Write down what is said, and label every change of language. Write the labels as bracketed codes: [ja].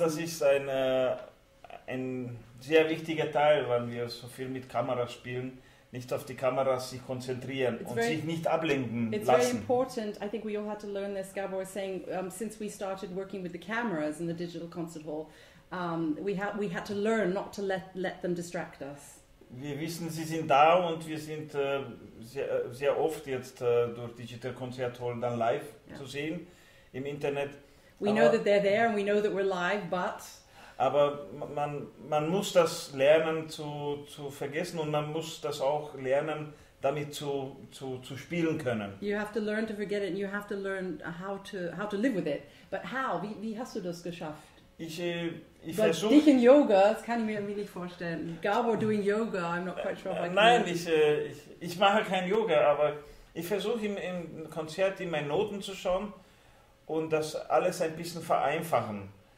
[de] Das ist ein sehr wichtiger Teil, wenn wir so viel mit Kameras spielen. Nicht auf die Kamera sich konzentrieren und sich nicht ablenken lassen. [en] It's very important. I think we all had to learn this. Gabor was saying, since we started working with the cameras in the digital concert hall, we had to learn not to let them distract us. [de] Wir wissen, sie sind da, und wir sind sehr oft jetzt durch digital concert hall dann live zu sehen im Internet. [en] We know that they're there and we know that we're live, but. [de] Aber man muss das lernen zu vergessen, und man muss das auch lernen, damit zu spielen können. [en] You have to learn to forget it, and you have to learn how to live with it. But how? [de] Wie hast du das geschafft? Ich versuche. Dich in Yoga, das kann ich mir irgendwie nicht vorstellen. [en] Gabor doing Yoga, I'm not quite sure. [de] Nein, ich mache kein Yoga, aber ich versuche im Konzert in meine Noten zu schauen und das alles ein bisschen vereinfachen.